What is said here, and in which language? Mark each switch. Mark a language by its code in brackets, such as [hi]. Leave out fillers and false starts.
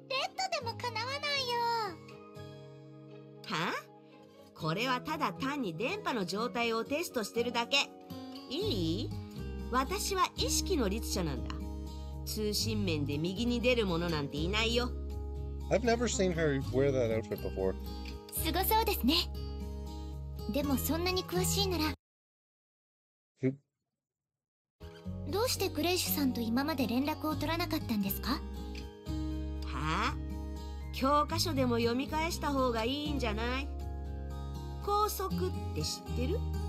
[ja] レッドでもかなわないよ。は? これはただ単に電波の状態をテストしてるだけ。いい? 私は意識の律者なんだ。通信面で右に出るものなんていないよ。 [en] I've never seen her wear that outfit before. [ja] すごそうですね。でもそんなに詳しいなら。どうしてクレイシュさんと今まで連絡を取らなかったんですか? はあ? 教科書でも読み返した方がいいんじゃない?光速って知ってる?